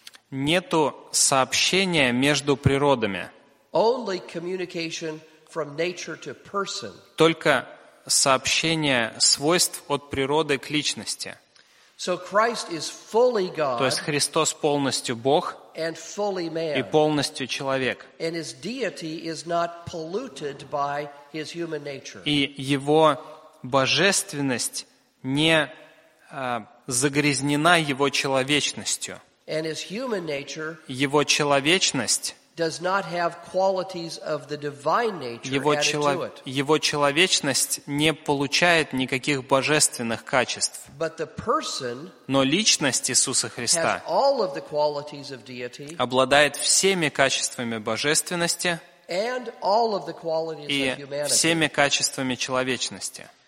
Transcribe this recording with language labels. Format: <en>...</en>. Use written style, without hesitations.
<ru>Нету сообщения между природами.</ru> <en>Only communication from nature to person.</en> <ru>Только сообщение свойств от природы к личности.</ru> <en>So Christ is fully God.</en> <ru>То есть Христос полностью Бог.</ru> <en>And fully man.</en> <ru>И полностью человек.</ru> <en>And his deity is not polluted by his human nature.</en> <ru>И его божественность не загрязнена его человечностью.</ru> <en>And his human nature,</en> <ru>его человечность,</ru> <en>does not have qualities of the divine nature added to it.</en> <ru>Его человечность не получает никаких божественных качеств.</ru> <en>But the person,</en> <ru>но личность Иисуса Христа,</ru> <en>has all of the qualities of deity,</en> <ru>обладает всеми качествами божественности</ru> <en>and all of the qualities</en> <ru>и</ru> <en>of humanity.</en> <ru>Всеми качествами человечности.</ru>